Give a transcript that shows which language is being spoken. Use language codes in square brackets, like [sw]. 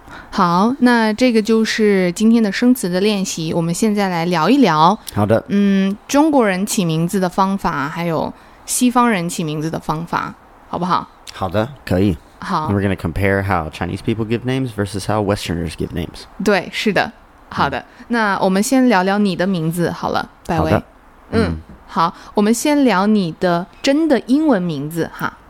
[zh] 好, 那这个就是今天的生词的练习, 我们现在来聊一聊, 好的, 中国人起名字的方法, 还有西方人起名字的方法, 好不好? 好的, 可以。好, [en] and we're going to compare how Chinese people give names versus how Westerners give names. [zh] 对, 是的, 好的, 那我们先聊聊你的名字, 好了, 百威。好的, 好, 我们先聊你的真的英文名字, 哈。